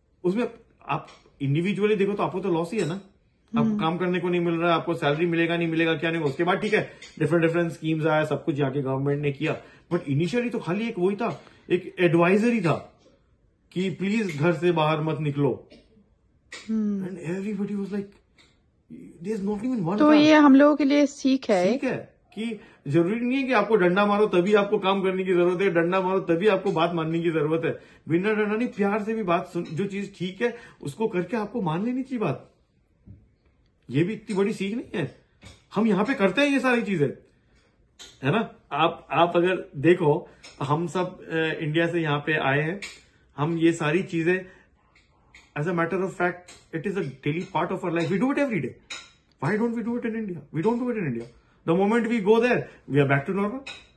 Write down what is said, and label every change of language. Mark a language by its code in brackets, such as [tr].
[hi] उसमें आप individually देखो तो आपको तो loss ही है ना, आपको काम करने को नहीं मिल रहा, आपको salary मिलेगा नहीं मिलेगा, क्या नहीं, उसके बाद ठीक है different schemes आया, सब कुछ यहाँ के government ने किया, [en] but initially [hi] तो खाली एक वही था, एक advisory था कि please घर से बाहर मत निकलो. [en] And everybody was like, there's not even one. [hi] तो ये हम लोगों के लिए सीख है, सीख है कि जरूरी नहीं है कि आपको डंडा मारो तभी आपको काम करने की जरूरत है, डंडा मारो तभी आपको बात मानने की जरूरत है. बिना डंडा नहीं, प्यार से भी बात सुन, जो चीज ठीक है उसको करके आपको मान लेनी चाहिए बात. ये भी इतनी बड़ी सीख नहीं है, हम यहां पे करते हैं ये सारी चीजें, है ना. आप अगर देखो, हम सब इंडिया से यहां पे आए हैं, हम ये सारी चीजें [en] As a matter of fact, it is a daily part of our life, we do it every day. Why don't we do it in India? We don't do it in India. The moment we go there, we are back to normal.